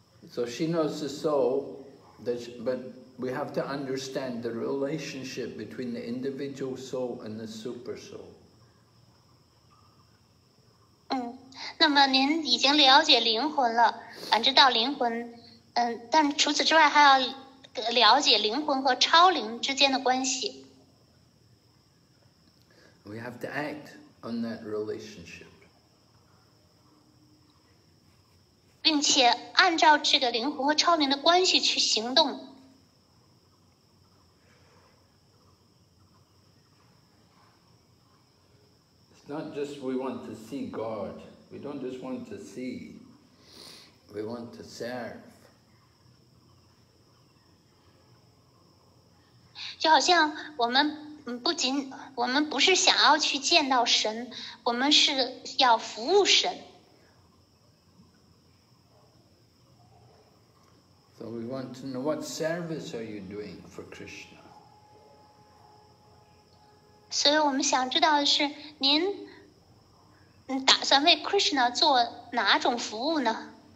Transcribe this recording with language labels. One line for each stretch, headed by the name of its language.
English: So she knows the soul, but we have to understand the relationship between the individual soul and the super soul.
Chinese: 那么您已经了解灵魂了，感知到灵魂，但除此之外还要了解灵魂和超灵之间的关系。
English: We have to act on that relationship.
Chinese: 并且按照这个灵魂和超灵的关系去行动。
English: Not just we want to see God. We don't just want to see. We want to serve.
Chinese: 就好像我们不仅我们不是想要去见到神，我们是要服务神。
English: So we want to know what service are you doing for Krishna?
Chinese: 所以我们想知道的是，您打算为 Krishna 做哪种服务呢？